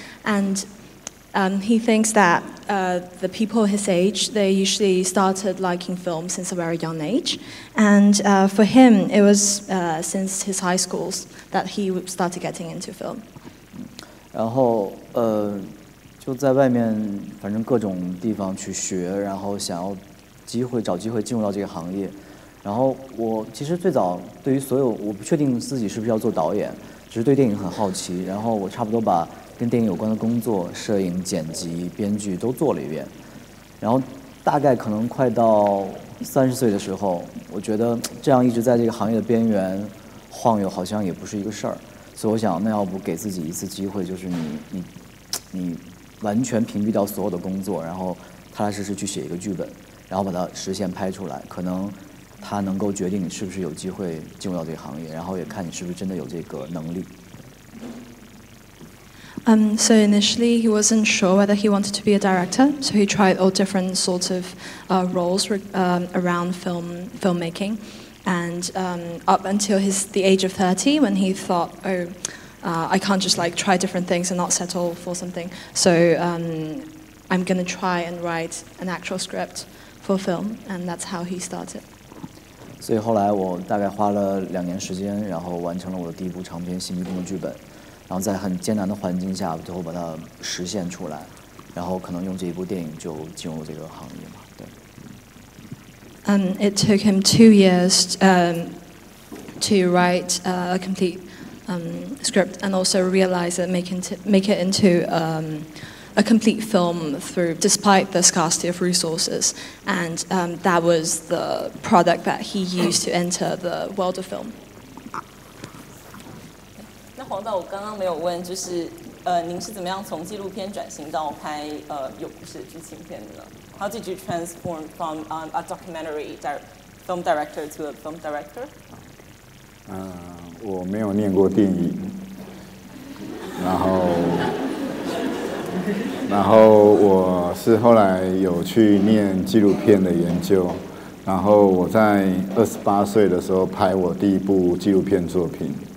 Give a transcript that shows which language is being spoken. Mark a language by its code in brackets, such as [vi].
[en] And he thinks that the people his age, they usually started liking film since a very young age. And for him, it was since his high schools that he started getting into film. [zh] 然后就在外面反正各种地方去学，然后想要找机会进入到这个行业。然后我其实最早对于所有我不确定自己是不是要做导演，只是对电影很好奇，然后我差不多把跟电影有关的工作摄影剪辑编剧都做了一遍。然后大概可能快到30岁的时候，我觉得这样一直在这个行业的边缘晃悠好像也不是一个事儿，所以我想那要不给自己一次机会，就是你完全屏蔽掉所有的工作，然后踏踏实实去写一个剧本，然后把它实现拍出来，可能它能够决定你是不是有机会进入到这个行业，然后也看你是不是真的有这个能力。 [en] So initially he wasn't sure whether he wanted to be a director, so he tried all different sorts of roles around filmmaking, and up until the age of 30 when he thought, I can't just like try different things and not settle for something. So I'm going to try and write an actual script for film, and that's how he started. [zh] 所以后来我大概花了2年时间，然后完成了我的第一部长篇新迷宫的剧本，然后在很艰难的环境下，最后把它实现出来。然后可能用这一部电影就进入这个行业嘛，对。 [en] It took him 2 years to write a complete script and also realize that make it into a complete film through despite the scarcity of resources, and that was the product that he used to enter the world of film. [zh] 那黄导，我刚刚没有问，就是您是怎么样从纪录片转型到拍剧情片的呢？ [en] How did you transform from a documentary film director to a film director? [zh] 我没有念过电影，然后我是后来有去念纪录片的研究，然后我在28岁的时候拍我第一部纪录片作品，